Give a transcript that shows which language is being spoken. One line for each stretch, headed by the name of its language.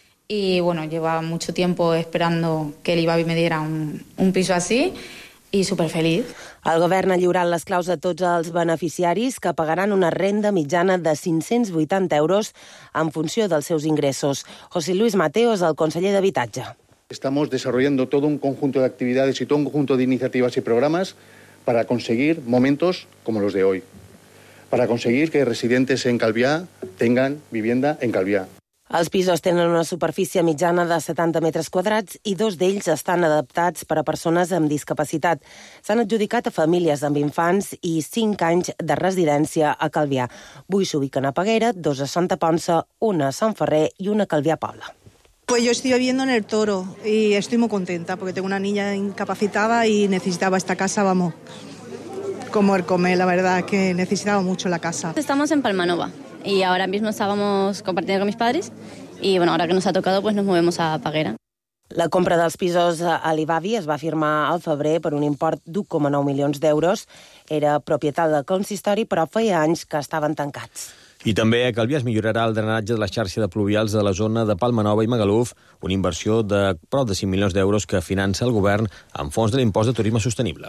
Spanish: Y bueno, llevaba mucho tiempo esperando que el Ibavi me diera un piso así y súper feliz.
Catalan: El govern ha lliurat les claus a tots els beneficiaris que pagaran una renda mitjana de 580 euros en funció dels seus ingressos. José Luis Mateo és el conseller d'Habitatge.
Spanish: Estamos desarrollando todo un conjunto de actividades y todo un conjunto de iniciativas y programas para conseguir momentos como los de hoy, para conseguir que residentes en Calvià tengan vivienda en Calvià.
Catalan: Els pisos tenen una superfície mitjana de 70 metres quadrats i dos d'ells estan adaptats per a persones amb discapacitat. S'han adjudicat a famílies amb infants i 5 anys de residència a Calvià. Vull s'ubiquen a Peguera, dos a Santa Ponça, una a Sant Ferrer i una a Calvià Poble.
Spanish: Pues yo estoy viviendo en El Toro y estoy muy contenta porque tengo una niña incapacitada y necesitaba esta casa, vamos, como el comer, la verdad, que necesitaba mucho la casa. Estamos en Palmanova y ahora mismo estábamos compartiendo con mis padres y bueno, ahora que nos ha tocado pues nos movemos a Peguera.
Catalan: La compra dels pisos a l'Ibavi es va firmar al febrer per un import d'1,9 milions d'euros. Era propietat del consistori, però feia anys que estaven tancats. I també a Calvià es millorarà el drenatge de la xarxa de pluvials de la zona de Palmanova i Magaluf, una inversió de prop de 5 milions d'euros que finança el govern amb fons de l'impost de turisme sostenible.